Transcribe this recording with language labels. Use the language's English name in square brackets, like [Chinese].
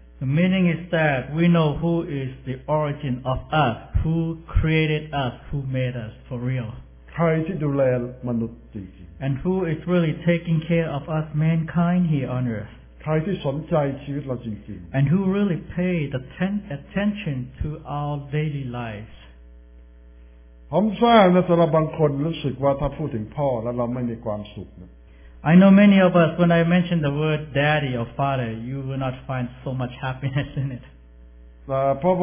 [English] ๆ The meaning is that we know who is the origin of us who created us who made us for real [Thai] ใครที่ดูแลมนุษย์จริง [English] ๆ And who is really taking care of us mankind here on earth [Thai] ใครที่สนใจชีวิตเราจริง [English] ๆ And who really pay the attention to our daily lives [Thai] ผมทราบนะสำหรับบางคนรู้สึกว่าถ้าพูดถึงพ่อแล้วเราไม่มีความสุข [English] I know many of us, when I mention the word daddy or father, you will not find so much happiness in it.